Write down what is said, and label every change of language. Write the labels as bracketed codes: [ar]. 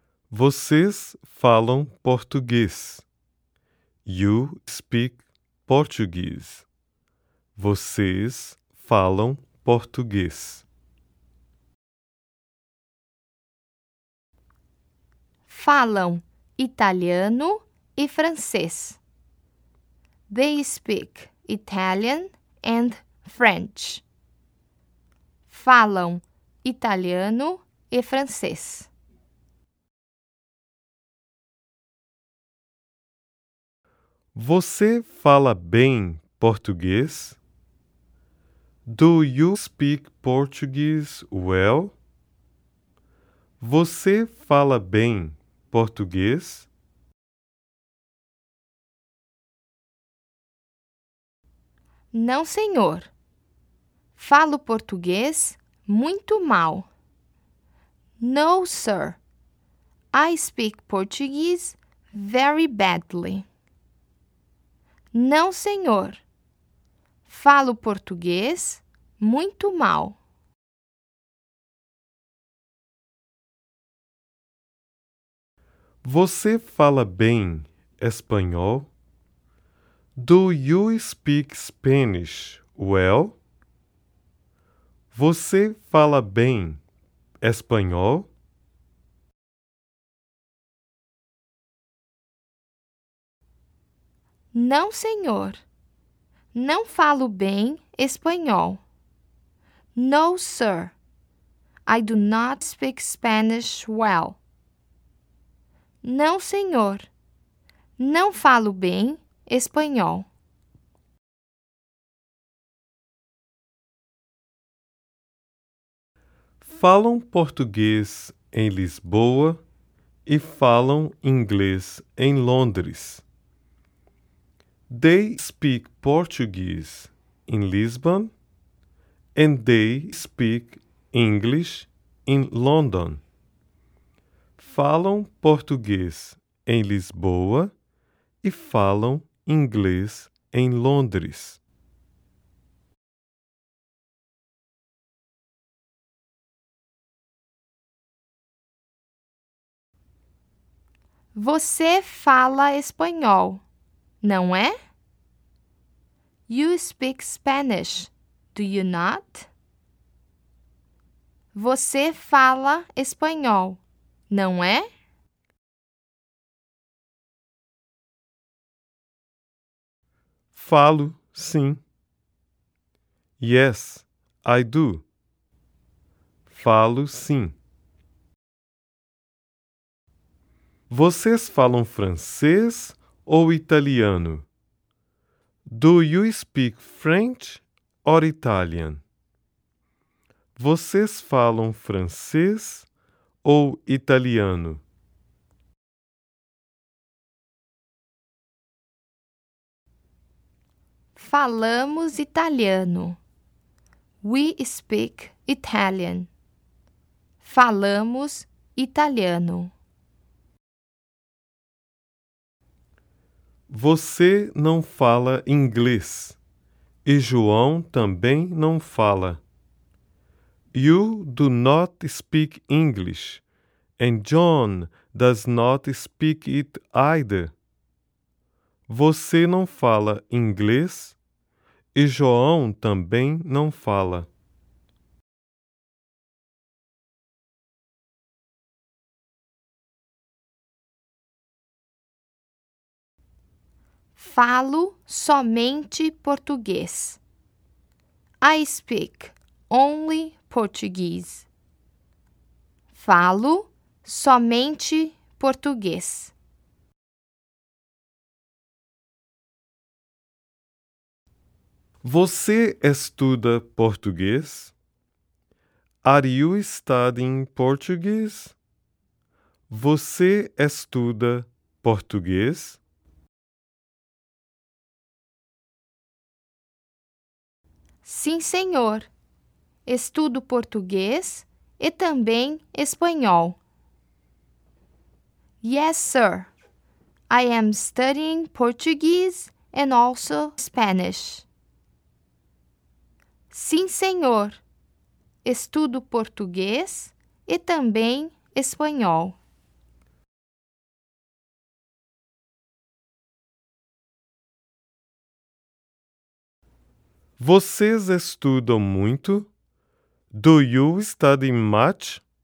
[pt] Vocês falam português. [en] You speak Portuguese. [pt] Vocês falam português. Falam italiano e francês. [en] They speak Italian and French. [pt] Falam italiano e francês. Você fala bem português? [en] Do you speak Portuguese well? [pt] Você fala bem português? Não, senhor. Falo português muito mal. [en] No, sir. I speak Portuguese very badly. [pt] Não, senhor. Falo português muito mal. Você fala bem espanhol? [en] Do you speak Spanish well? [pt] Você fala bem espanhol? Não, senhor. Não falo bem espanhol. [en] No, sir. I do not speak Spanish well. [pt] Não, senhor. Não falo bem espanhol. Falam português em Lisboa e falam inglês em Londres. [en] They speak Portuguese in Lisbon and they speak English in London. [pt] Falam português em Lisboa e falam inglês em Londres. Você fala espanhol, não é? [en] You speak Spanish, do you not? [pt] Você fala espanhol, não é? Falo, sim. [en] Yes, I do. [pt] Falo, sim. Vocês falam francês ou italiano? [en] Do you speak French or Italian? [pt] Vocês falam francês ou italiano? Falamos italiano. [en] We speak Italian. [pt] Falamos italiano. Você não fala inglês. E João também não fala. [en] You do not speak English. And John does not speak it either. [pt] Você não fala inglês e João também não fala. Falo somente português. [en] I speak only Portuguese. [pt] Falo somente português. Você estuda português? [en] Are you studying Portuguese? [pt] Você estuda português? Sim, senhor. Estudo português e também espanhol. [en] Yes, sir. I am studying Portuguese and also Spanish. [pt] Sim, senhor. Estudo português e também espanhol. Vocês estudam muito? [en] Do you study much?